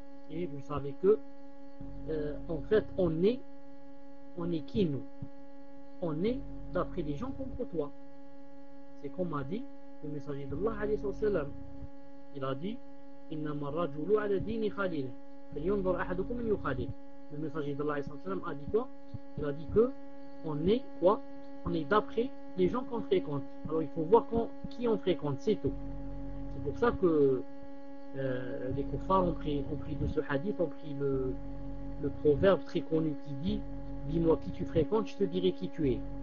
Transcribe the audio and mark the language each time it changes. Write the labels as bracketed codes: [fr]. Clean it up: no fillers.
[fr] Et vous savez que, en fait, on est qui nous ? On est d'après les gens qu'on côtoie. C'est comme a dit le messager d'Allah, alayhi wa sallam. Il a dit, [ar] إِنَّمَا الرَّجُلُ عَلَى دِينِ خَلِيلٍ فَلْيُنْظُرْ أَحَدُكُمْ مَنْ يُخَلِيلٍ. [fr] Le messager d'Allah, alayhi wa sallam, a dit quoi ? Il a dit que, on est quoi ? On est d'après les gens qu'on fréquente. Alors il faut voir qui on fréquente, c'est tout. C'est pour ça que les kuffars ont pris de ce hadith, ont pris le proverbe très connu qui dit, dis-moi qui tu fréquentes, je te dirai qui tu es.